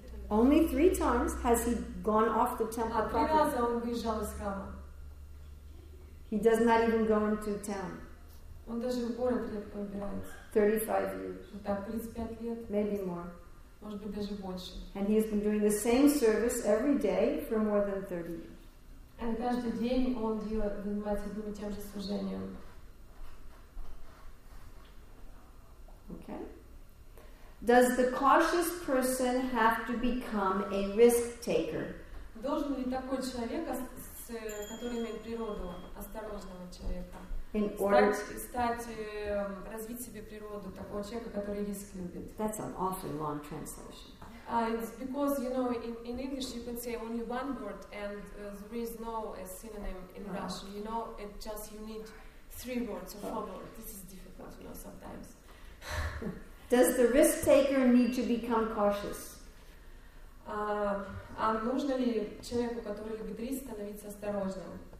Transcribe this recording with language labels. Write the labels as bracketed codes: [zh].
[en] Only 3 times has he gone off the temple property. He does not even go into town. 35 years. Maybe more. And he has been doing the same service every day for more than 30 years. And [ru] каждый день он занимается одним и тем же служением. [en] Okay. Does the cautious person have to become a risk taker? [ru] Должен ли такой человек, который имеет природу осторожного человека, стать развить себе природу такого человека, который риск любит? [en] That's an awfully long translation. It's because you know in English you can say only one word and there is no a synonym in Russian. You know, it just you need 3 words or 4 words. This is difficult, you know, sometimes. Does the risk taker need to become cautious? [ru] А нужно ли человеку, который любит риск, становиться осторожным?